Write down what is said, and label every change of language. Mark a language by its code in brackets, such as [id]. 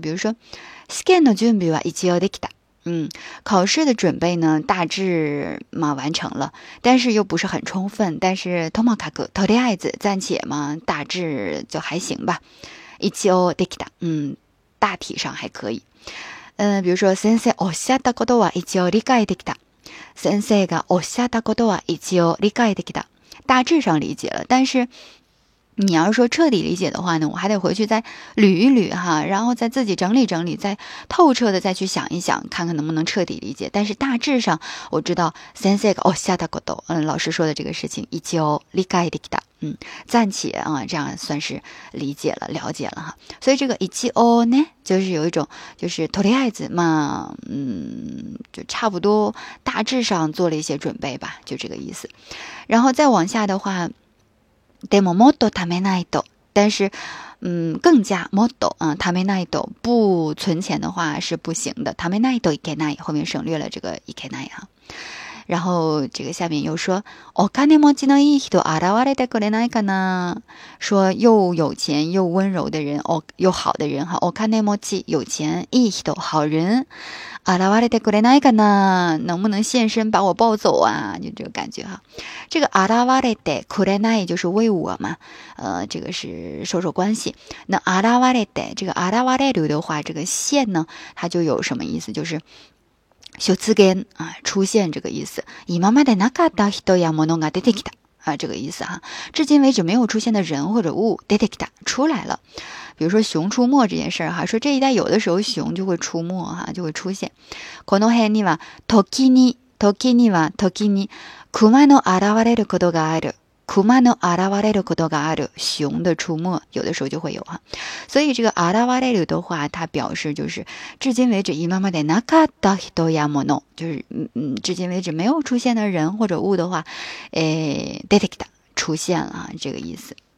[zh] 比如说 [ja] 試験の準備は一応できた， [zh] 考试的准备呢大致嘛完成了，但是又不是很充分，但是ともかく，とりあえず，暂且嘛大致就还行吧，一応できた，大体上还可以。比如说 [ja] 先生おっしゃったことは一応理解できた，先生がおっしゃったことは一応理解できた。 [zh] 大致上理解了，但是你要是说彻底理解的话呢，我还得回去再捋一捋哈，然后再自己整理整理，再透彻的再去想一想，看看能不能彻底理解。但是大致上我知道 [ja] 先生がおっしゃったこと， [zh] 老师说的这个事情 [ja] 一応理解できた， [zh] 暂且啊，这样算是理解了了解了哈。所以这个一応呢，就是有一种就是とりあえず嘛，就差不多大致上做了一些准备吧，就这个意思。然后再往下的话， [ja] でももっとためないと， [zh] 但是更加 [ja] もっと ためないと， [zh] 不存钱的话是不行的。 [ja] ためないといけない， [zh] 后面省略了这个いけない啊。然后这个下面又说， [ja] お金持ちのいい人現れてくれないかな， [zh] 说又有钱又温柔的人，又好的人哈。お金持ち，有钱，いい人，好人， [ja] 現れてくれないかな， [zh] 能不能现身把我抱走啊，就这个感觉哈。这个現れてくれない就是为我嘛，这个是说说关系。那現れて，这个現れる的话，这个现呢，它就有什么意思，就是出現啊，出现这个意思。 [ja] 今までなかった人や物が出てきた啊， [zh] 这个意思哈。至今为止没有出现的人或者物 [ja] 出てきた， [zh] 出来了。比如说熊出没这件事哈，说这一代有的时候熊就会出没哈，就会出现。 [ja] この辺には時に時には時に熊の現れることがある。熊の現れることがある， [zh] 熊的出没有的时候就会有哈。所以这个現れる的话，它表示就是至今为止 [ja] 今までなかった人や物， [zh] 就是至今为止没有出现的人或者物的话， [ja] 出てきた， [zh] 出现了，这个意思。